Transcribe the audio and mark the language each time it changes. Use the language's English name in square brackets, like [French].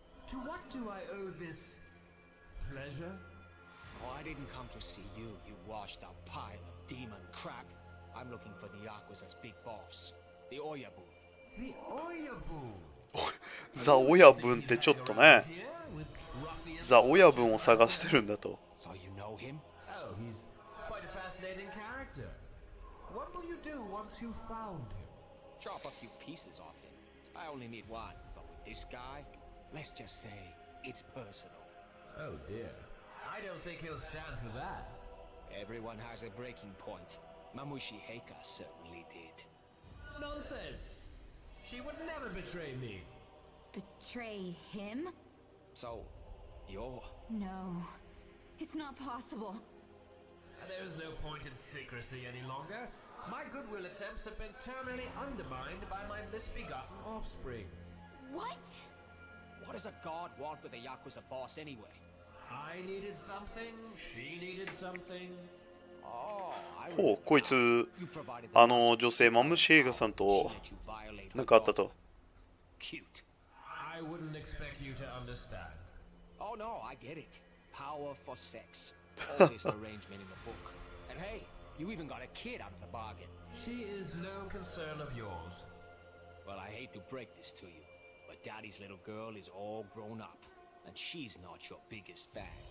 [English] To what do I owe this pleasure? Oh, I didn't come to see you, you washed up pile of demon crap. I'm looking for the Yakuza's big boss, the Oyabu. The Oyabu? [Japanese] ザ・オヤブンってちょっとね。ザ・オヤブンを探してるんだと。 [English] So you know him? Oh, he's quite a fascinating character. What will you do once you've found him? Chop a few pieces off him. I only need one, but with this guy... Let's just say it's personal. Oh dear. I don't think he'll stand for that. Everyone has a breaking point. Mamushi Heika certainly did. Nonsense. She would never betray me. Betray him? So, you're... No. It's not possible. There's no point in secrecy any longer. My goodwill attempts have been terminally undermined by my misbegotten offspring. What? What does a god want with a Yakuza boss anyway? I needed something, she needed something. Oh, [Japanese] おお、こいつ、あの女性、マムシエガさんと、なんかあったと。 [English] Cute. I wouldn't expect you to understand. Oh no, I get it. Power for sex. All this arrangement in the book. And hey, you even got a kid out of the bargain. She is no concern of yours. Well, I hate to break this to you. Daddy's little girl is all grown up, and she's not your biggest fan.